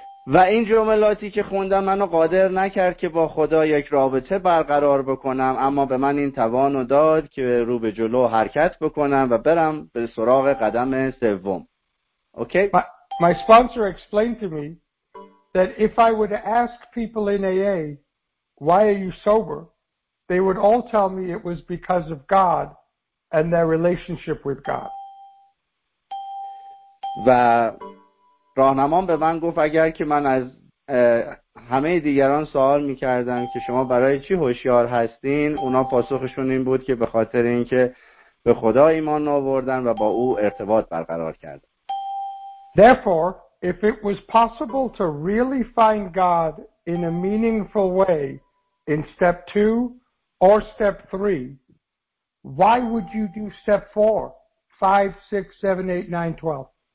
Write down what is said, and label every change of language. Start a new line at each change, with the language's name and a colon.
Persian: و این جملاتی که خوندم منو قادر نکرد که با خدا یک رابطه برقرار بکنم اما به من این توانو داد که رو به جلو حرکت بکنم و برم به سراغ قدم سوم. اوکی okay?
English: My sponsor explained to me that if I would ask people in AA why are you sober they would all tell me it was because of God and their relationship with God.
Persian: و راهنمان به من گفت اگر که من از همه دیگران سوال می‌کردم که شما برای چی هوشیار هستین اونا پاسخشون این بود که به خاطر اینکه به خدا ایمان آوردن و با او ارتباط برقرار کردن.
English: Therefore, if it was possible to really find God in a meaningful way in step 2 or step 3, why would you do step 4, 5, 6, 7, 8, 9, 12?